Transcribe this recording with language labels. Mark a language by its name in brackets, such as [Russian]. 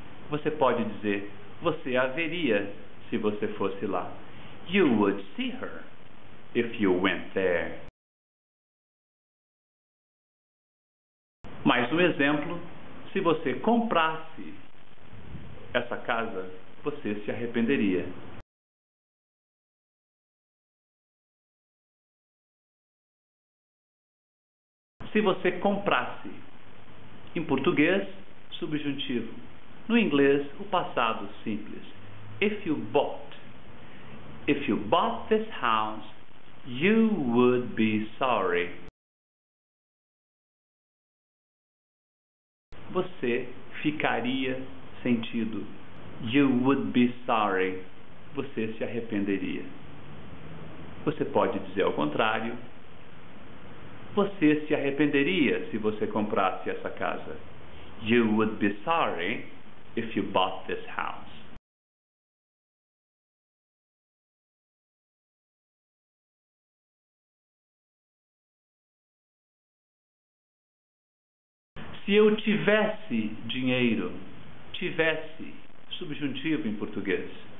[Portuguese] Você pode dizer, você a veria se você fosse lá. [English] You would see her if you went there. [Portuguese] Mais um exemplo, se você comprasse essa casa, você se arrependeria. Se você comprasse, em português, subjuntivo. No inglês, o passado simples. [English] If you bought. If you bought this house, you would be sorry. [Portuguese] Você ficaria sentido. [English] You would be sorry. [Portuguese] Você se arrependeria. Você pode dizer ao contrário. Você se arrependeria se você comprasse essa casa. [English] You would be sorry if you bought this house. [Portuguese] Se eu tivesse dinheiro. Tivesse, subjuntivo em português.